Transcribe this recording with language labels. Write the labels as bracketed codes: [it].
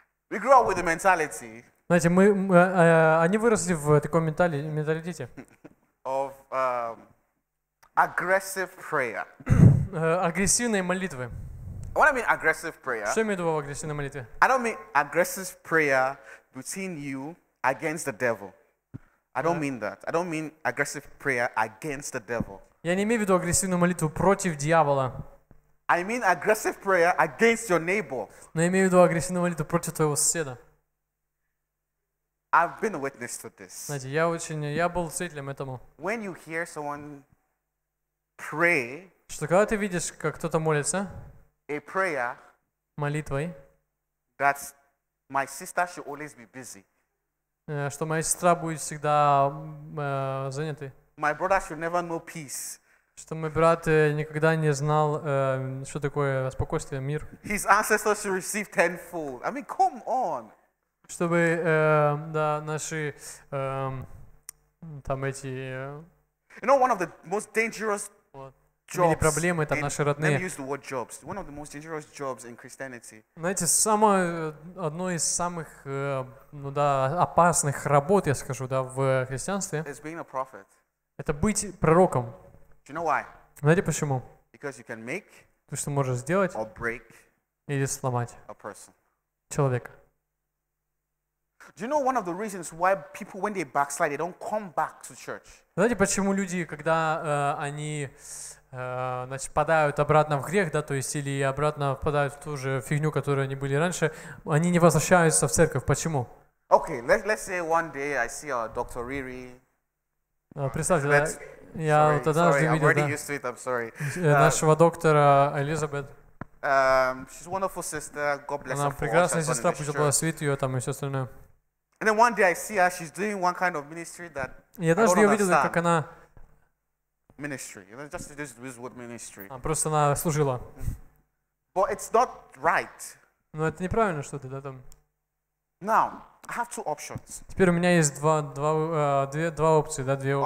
[en] We grew up with the mentality. [ru] Знаете, мы, они выросли в таком менталитете. [en] Of aggressive prayer. [ru] Агрессивной молитвы. [en] What I mean aggressive prayer? [ru] Что я имею в виду агрессивной молитвы? [en] I don't mean aggressive prayer between you against the devil. I don't mean that. I don't mean aggressive prayer against the devil. [ru] Я не имею в виду агрессивную молитву против дьявола. [en] I mean aggressive prayer against your neighbor. [ru] Но я имею в виду агрессивную молитву против твоего соседа. [en] I've been a witness to this. [ru] Знаете, я очень, я был свидетелем этому. [en] When you hear someone pray, [ru] что когда ты видишь, как кто-то молится, [en] a prayer, [ru] молитвой, [en] that my sister should always be busy, [ru] что моя сестра будет всегда занятой, [en] my brother should never know peace, [ru] что мой брат никогда не знал, что такое спокойствие, мир. [en] His ancestors should receive tenfold. I mean, come on. [ru] Чтобы да, наши там эти. [en] You know, one of the most dangerous jobs. [ru] Или проблемы там наши родные. [en] Let me use the word jobs. One of the most dangerous jobs in Christianity. [ru] Знаете, самое одно из самых ну да опасных работ, я скажу, да, в христианстве. [en] Is being a prophet. [ru] Это быть пророком. [en] Do you know why? [ru] Знаете почему? [en] Because you can make, [ru] потому что можешь сделать [en] or break, [ru] или сломать [en] a person, [ru] человека. [en] Do you know one of the reasons why people when they backslide they don't come back to church? [ru] Знаете почему люди, когда они значит, падают обратно в грех, да, то есть или обратно впадают в ту же фигню, которую они были раньше, они не возвращаются в церковь? Почему? [en] Okay, let's say one day I see a Dr. Riri. [ru] Представьте, да. Я [en] sorry, [ru] вот однажды [en] sorry, [ru] видел, да, [en] used to it, I'm sorry. [ru] Нашего доктора Элизабет. [en] She's a wonderful sister. God bless [ru] она [en] her [ru] прекрасная [en] all, [ru] сестра, пусть благословит ее там и все остальное. [en] And then one day I see her, she's doing one kind of ministry that [ru] я однажды ее видел, как она [en] ministry, you know, just this word ministry. [ru] А просто она служила. [en] But it's not right. [ru] Но это неправильно что-то, да там. [en] Now I have two options. [ru] Теперь у меня есть два опции, да, две